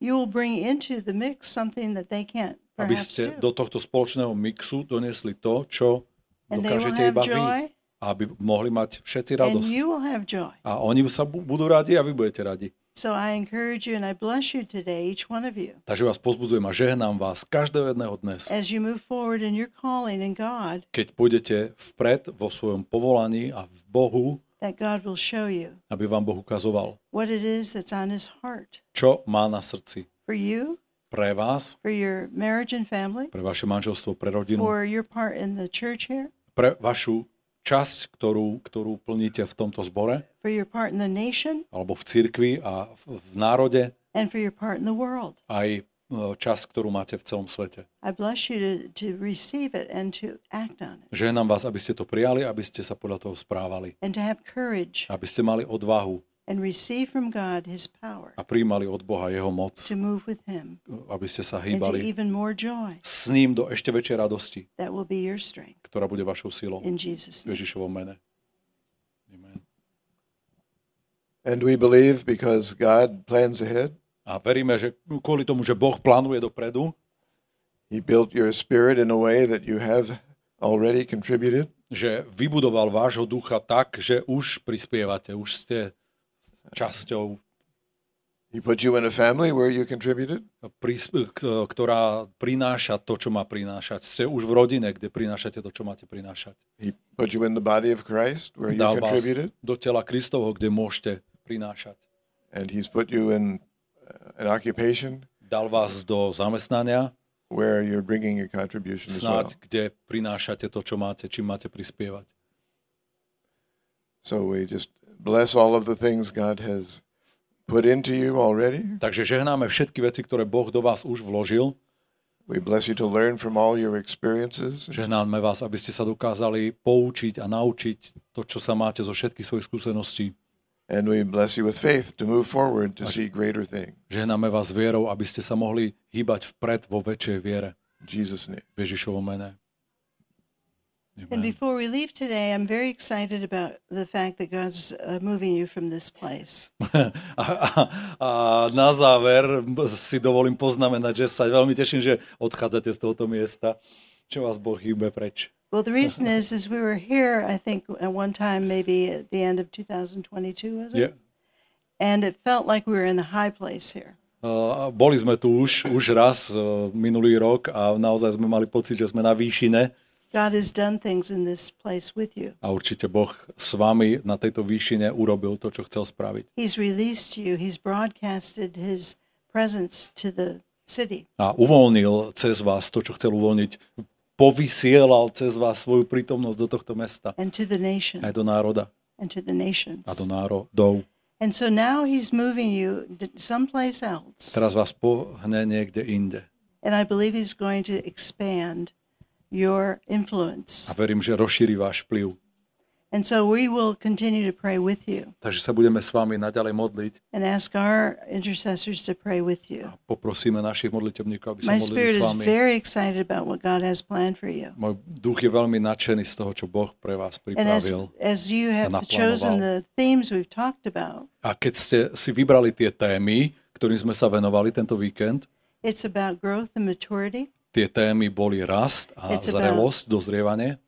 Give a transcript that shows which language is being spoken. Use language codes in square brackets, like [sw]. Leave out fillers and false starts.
[en] You will bring into the mix something that they can't perhaps do. [sk] Aby ste do tohto spoločného mixu donesli to, čo [en] and [sk] dokážete iba vy. Aby mohli mať všetci radosť. [en] And you will have joy. [sk] A oni sa budú radi a vy budete radi. [en] So I encourage you and I bless you today, each one of you. [sk] Takže vás pozbudzujem a žehnám vás každého jedného dnes. [en] As you move forward in your calling in God. [sk] Keď pôjdete vpred vo svojom povolaní a v Bohu. [en] That God will show you. [sk] Aby vám Boh ukazoval. [en] What it is that's on his heart. [sk] Čo má na srdci. [en] For you. [sk] Pre vás. [en] For your marriage and family. [sk] Pre vaše manželstvo, pre rodinu. [en] For your part in the church here. [sk] Pre vašu časť, ktorú plníte v tomto zbore. [en] For your part in the nation. [sk] Alebo v cirkvi a v národe. [en] And for your part in the world. [sk] Aj časť, ktorú máte v celom svete. [en] I bless you to receive it and to act on it. [sk] Žehnám vás, aby ste to prijali, aby ste sa podľa toho správali. [en] And to have courage. [sk] Aby ste mali odvahu. [en] And receive from God his power. [sk] A prijímali od Boha jeho moc. [en] To move with him. [sk] Aby ste sa hýbali. [en] And to even more joy. [sk] S ním do ešte väčšej radosti. [en] That will be your strength. [sk] Ktorá bude vašou silou. [en] In Jesus name. [sk] V Ježišovom mene. Amen. [en] And we believe because God plans ahead. [sk] A veríme, že kvôli tomu, že Boh plánuje dopredu. [en] He built your spirit in a way that you have already contributed. [sk] Že vybudoval vášho ducha tak, že už prispievate, už ste časťou. [en] He put you in a family where you contributed. [sk] Ktorá prináša to, čo má prinášať. Ste už v rodine, kde prinášate to, čo máte prinášať. [en] He put you in the body of Christ where you contributed. [sk] Dal vás do tela Kristovho, kde môžete prinášať. [en] And he's put you in an occupation. [sk] Dal vás do zamestnania, [en] where you're bringing your contribution as well. [sk] Kde prinášate to, čo máte, čím máte prispievať. [en] So we just bless all of the things God has put into you already. [sk] Takže žehnáme všetky veci, ktoré Boh do vás už vložil. [en] We bless you to learn from all your experiences. [sk] Žehnáme vás, aby ste sa dokázali poučiť a naučiť to, čo sa máte zo všetkých svojich skúseností. [en] And we bless you with faith to move forward to see greater things. [sk] Žehnáme vás vierou, aby ste sa mohli hýbať vpred vo väčšej viere. [en] Jesus name. [sk] V Ježišovom mene. [en] Amen. And before we leave today, I'm very excited about the fact that God's moving you from this place. [sk] A na záver si dovolím poznamenať, že sa veľmi teším, že odchádzate z tohto miesta, čo vás Boh hýbe preč. [en] Well, the reason is we were here, I think, at one time, maybe at the end of 2022, was it? Yeah. And it felt like we were in the high place here. [sk] Boli sme tu už raz minulý rok a naozaj sme mali pocit, že sme na výšine. [en] God has done things in this place with you. [sk] A určite Boh s vami na tejto výšine urobil to, čo chcel spraviť. [en] He's released you. He's broadcasted his presence to the city. [sk] A uvoľnil cez vás to, čo chcel uvoľniť. Povysielal cez vás svoju prítomnosť do tohto mesta. [en] And to the nations. [sk] Aj do národa. [en] And to the nations. [sk] A do národov. [en] And so now he's moving you someplace else. [sk] Teraz vás pohne niekde inde. [en] And I believe he's going to expand your influence. [sk] A verím, že rozšíri váš vplyv. [en] And so we will continue to pray with you. [sk] Takže sa budeme s vami naďalej modliť. [en] And ask our intercessors to pray with you. [sk] A poprosíme našich modlitebníkov, aby sa modlili s vami. [en] My spirit is very excited about what God has planned for you. [sk] Môj duch je veľmi nadšený z toho, čo Boh pre vás pripravil. [en] As you have chosen the themes we've talked about. [sk] A keď ste si vybrali tie témy, ktorým sme sa venovali tento víkend. [en] It's about growth and maturity. [sk] Tie témy boli rast a zrelosť, dozrievanie.